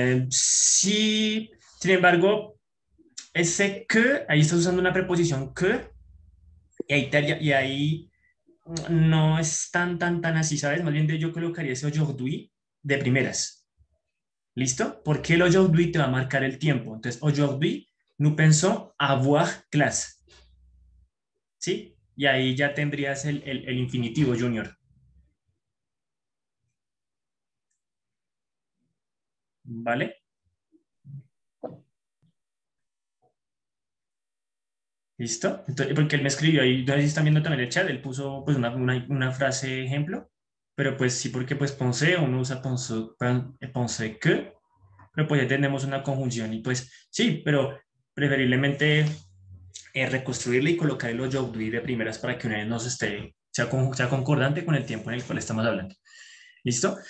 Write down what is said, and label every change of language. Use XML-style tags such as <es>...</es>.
<es>sí, sin embargo, ese que, ahí estás usando una preposición que, y ahí no es tan así, ¿sabes? Más bien yo colocaría ese aujourd'hui de primeras. ¿Listo? Porque el aujourd'hui te va a marcar el tiempo. Entonces,</es> <fr>aujourd'hui, nous pensons avoir classe.</fr> <es>¿Sí? Y ahí ya tendrías el infinitivo, Junior. ¿Vale? ¿Listo? Entonces, porque él me escribió ahí, no sé si están viendo también el chat, él puso pues una frase ejemplo, pero pues sí, porque pues ponce, uno usa ponce que, pero pues ya tenemos una conjunción y pues sí, pero preferiblemente reconstruirle y colocar el aujourd'hui de primeras para que una vez nos esté, sea concordante con el tiempo en el cual estamos hablando. ¿Listo?</es>